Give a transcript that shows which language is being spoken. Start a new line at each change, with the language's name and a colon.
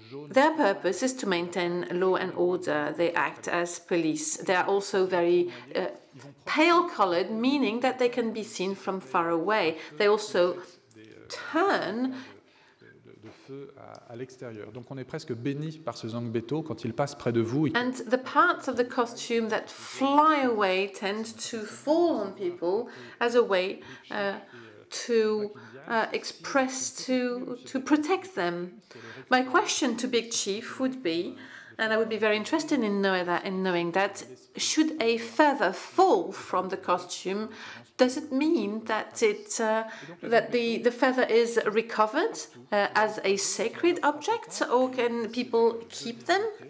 English: Their purpose is to maintain law and order. They act as police. They are also very pale-colored, meaning that they can be seen from far away. They also turn
French: à l'extérieur. Donc on est presque béni par ce zangbeto quand il passe près de vous.
English: And the parts of the costume that fly away tend to fall on people as a way to express to protect them. My question to Big Chief would be, and I would be very interested in knowing that, should a feather fall from the costume, does it mean that the feather is recovered as a sacred object, or can people keep them?